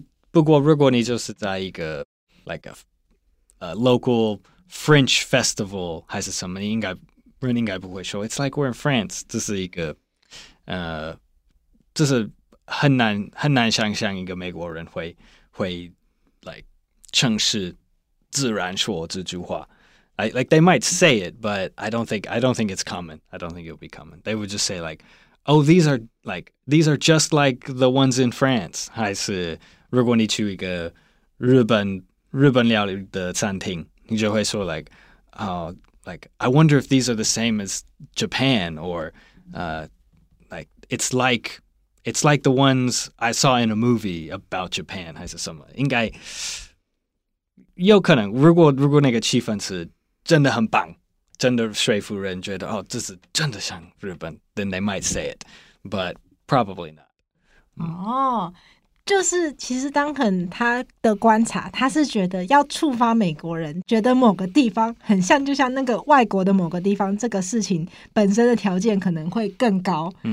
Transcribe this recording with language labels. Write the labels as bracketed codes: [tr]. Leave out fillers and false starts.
[zh] 不过如果你就是在一个 [en] like a local French festival [zh] 还是什么，人应该不会说 [en] It's like we're in France， [zh] 这是一个这是很难想象一个美国人会 like 正式自然说这句话。 [en] Like they might say it, but I don't think it's common. I don't think it'll be common. They would just say like, oh, these are just like the ones in France. [zh] 还是如果你去一个日本料理的餐厅，你就会说 [en] like, like I wonder if these are the same as Japan or, like it's like the ones I saw in a movie about Japan [zh] 还是什么？应该有可能。如果那个气氛是真的很棒，真的说服人觉得哦，这是真的像日本 ， [en] then they might say it, but probably not. [zh] 就是其实Duncan他的观察，他是觉得要触发美国人觉得某个地方很像，就像那个外国的某个地方，这个事情本身的条件可能会更高。